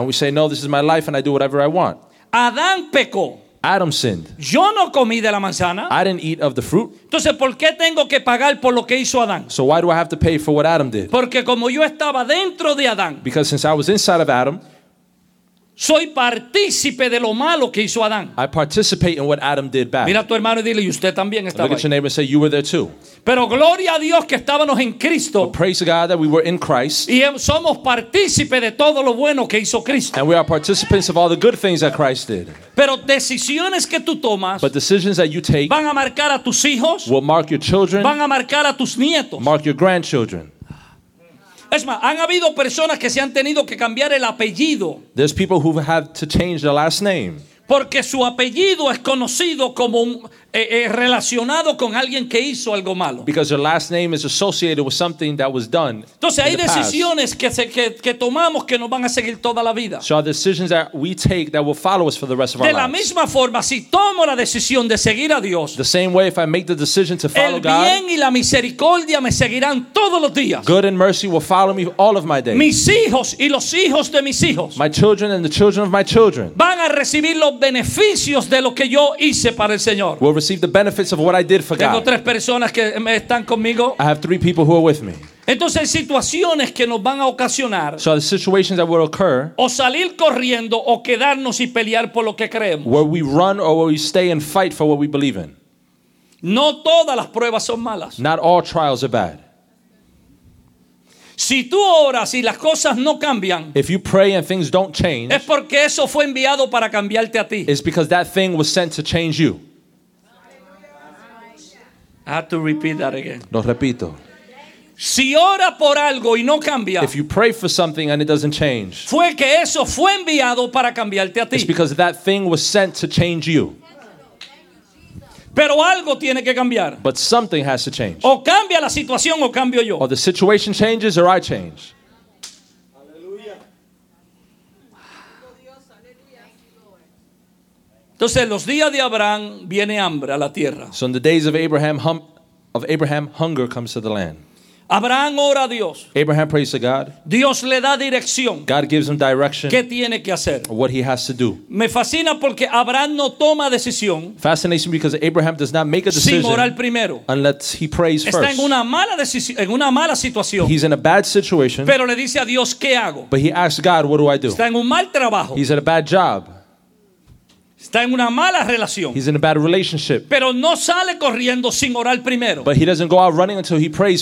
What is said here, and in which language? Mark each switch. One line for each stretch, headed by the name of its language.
English: And we say, no, this is my life and I do whatever I want.
Spanish: Adán pecó.
English: Adam sinned.
Spanish: Yo no comí de la manzana.
English: I didn't eat of the fruit.
Spanish: Entonces, ¿por qué tengo que pagar por lo que hizo Adán?
English: So why do I have to pay for what Adam did?
Spanish: Porque como yo estaba dentro de Adán.
English: Because since I was inside of Adam.
Spanish: Soy partícipe de lo malo que hizo Adán.
English: I participate in what Adam did bad.
Spanish: Mira a tu hermano y dile, y usted también estaba.
English: Look at your neighbor and say, you were there too.
Spanish: Pero gloria a Dios que estábamos en Cristo.
English: But praise God that we were in Christ.
Spanish: Y somos partícipe de todo lo bueno que hizo Cristo.
English: And we are participants of all the good things that Christ did.
Spanish: Pero decisiones que tú tomas,
English: but decisions that you take,
Spanish: van a marcar a tus hijos,
English: will mark your children,
Spanish: van a marcar a tus nietos,
English: mark your grandchildren.
Spanish: Es más, han habido personas que se han tenido que cambiar el apellido.
English: There's people who have to change their last name.
Spanish: Porque su apellido es conocido como relacionado con alguien que hizo algo malo.
English: Because their last name is associated with something that was done.
Spanish: Entonces hay decisiones que tomamos que nos van a seguir toda la vida.
English: So decisions that we take that will follow us for the rest of our lives.
Spanish: De la misma forma, si tomo la decisión de seguir a Dios,
English: the same way if I make the decision to follow God,
Spanish: el bien y la misericordia me seguirán todos los días.
English: Good and mercy will follow me all of my days.
Spanish: Mis hijos y los hijos de mis hijos,
English: my children and the children of my children,
Spanish: van a recibir los beneficios de lo que yo hice para el Señor.
English: Will receive the benefits of what I did for
Spanish: Tengo
English: God.
Spanish: Tres personas que están conmigo.
English: I have three people who are with me.
Spanish: Entonces, situaciones que nos van a ocasionar,
English: so the situations that will occur,
Spanish: o salir corriendo, o quedarnos y pelear por lo que creemos,
English: where we run or where we stay and fight for what we believe in.
Spanish: No todas las pruebas son malas.
English: Not all trials are bad.
Spanish: Si tú oras y las cosas no cambian,
English: if you pray and things don't change,
Spanish: es porque eso fue enviado para cambiarte a ti.
English: It's because that thing was sent to change you. I have to repeat that again.
Spanish: Lo repito. Si ora por algo y no cambia,
English: if you pray for something and it doesn't change,
Spanish: fue que eso fue enviado para cambiarte a ti.
English: It's because that thing was sent to change you.
Spanish: Pero algo tiene que cambiar.
English: But something has to change.
Spanish: O cambia la situación o cambio yo.
English: Or the situation changes or I change.
Spanish: Entonces, los días de Abraham viene hambre a la tierra.
English: So in the days of Abraham, hunger comes to the land.
Spanish: Abraham ora a Dios.
English: Abraham prays to God.
Spanish: Dios le da dirección.
English: God gives him direction.
Spanish: ¿Qué tiene que hacer?
English: What he has to do.
Spanish: Me fascina porque Abraham no toma decisión.
English: Fascinating because Abraham does not make a decision.
Spanish: Sin orar primero.
English: Unless he prays
Spanish: Está
English: first.
Spanish: Está en una mala decisión, en una mala situación.
English: He's in a bad situation.
Spanish: Pero le dice a Dios, ¿qué hago?
English: But he asks God, what do I do?
Spanish: Está en un mal trabajo.
English: He's in a bad job.
Spanish: Está en una mala relación.
English: He's in a bad relationship.
Spanish: Pero no sale corriendo sin orar primero.
English: But he doesn't go out running until he prays